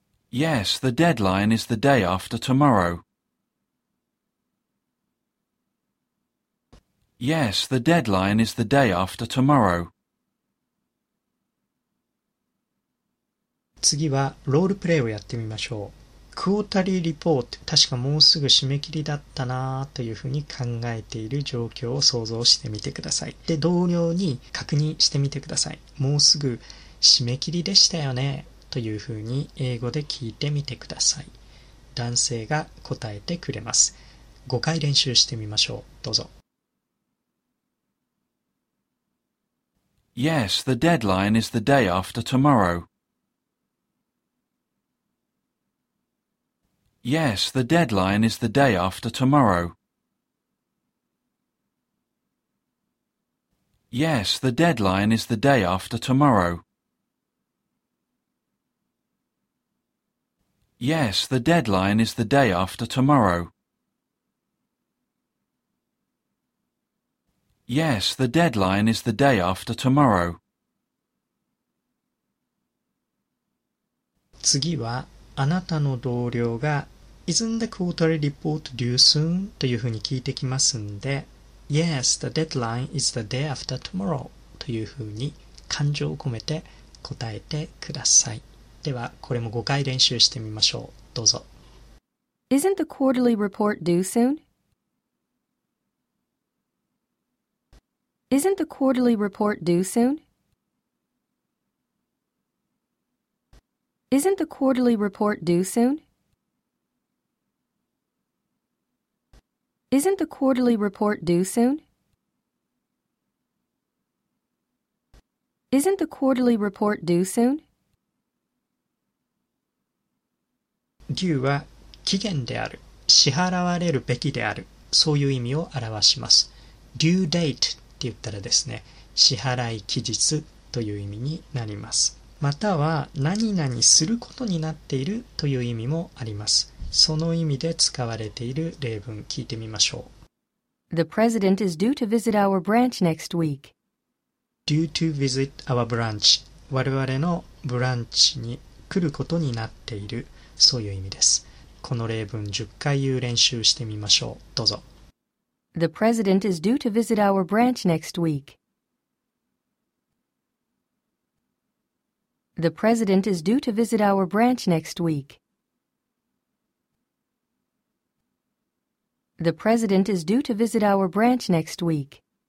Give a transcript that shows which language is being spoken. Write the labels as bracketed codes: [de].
[en] Yes, the deadline is the day after tomorrow. Yes, the deadline is the day after tomorrow. [ja] 次はロールプレイをやってみましょう。クォータリーリポート、確かもうすぐ締め切りだったなというふうに考えている状況を想像してみてください。で、同僚に確認してみてください。もうすぐ締め切りでしたよね。というふうに英語で聞いてみてください。男性が答えてくれます。 5回練習してみましょう。どうぞ。 [en] Yes, the deadline is the day after tomorrow. Yes, the deadline is the day after tomorrow. Yes, the deadline is the day after tomorrow. Yes, the deadline is the day after tomorrow. Yes, the deadline is the day after tomorrow. [ja] 次は、あなたの同僚が [en] Isn't the quarterly report due soon? [ja] というふうに聞いてきますんで [en] Yes, the deadline is the day after tomorrow. [ja] というふうに感情を込めて答えてください。では、これも5回練習してみましょう。どうぞ。 [en] Isn't the quarterly report due soon? Isn't the quarterly report due soon? Isn't the quarterly report due soon? Isn't the quarterly report due soon? Isn't the quarterly report due soon? [ja] due は期限である、支払われるべきである、そういう意味を表します。due date って言ったらですね、支払い期日という意味になります。または何々することになっているという意味もあります。その意味で使われている例文聞いてみましょう。 [en] The president is due to visit our branch next week. Due to visit our branch. [ja] 我々のブランチに来ることになっている、そういう意味です。この例文10回言う練習してみましょう。どうぞ。 [en] The president is due to visit our branch next week. The president is due to visit our branch next week. The president is due to visit our branch next week.